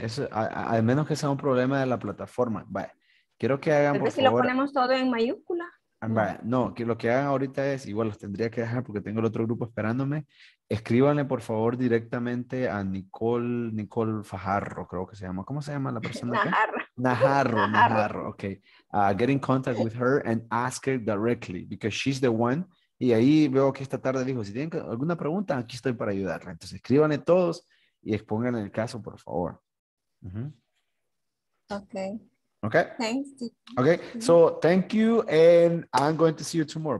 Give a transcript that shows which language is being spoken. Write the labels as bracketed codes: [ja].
[es] Al menos que sea un problema de la plataforma. Vale. Quiero que hagan, por favor. ¿Pero si lo ponemos todo en mayúscula? No, que lo que hagan ahorita es, igual los tendría que dejar porque tengo el otro grupo esperándome, escríbanle por favor directamente a Nicole Fajarro, creo que se llama. ¿Cómo se llama la persona? Najarro, ok. [en] Get in contact with her and ask her directly because she's the one. [es] Y ahí veo que esta tarde dijo, si tienen alguna pregunta, aquí estoy para ayudarla. Entonces escríbanle todos y expongan el caso, por favor. Uh-huh. Ok. Okay. [en] Thanks. Okay. So thank you, and I'm going to see you tomorrow.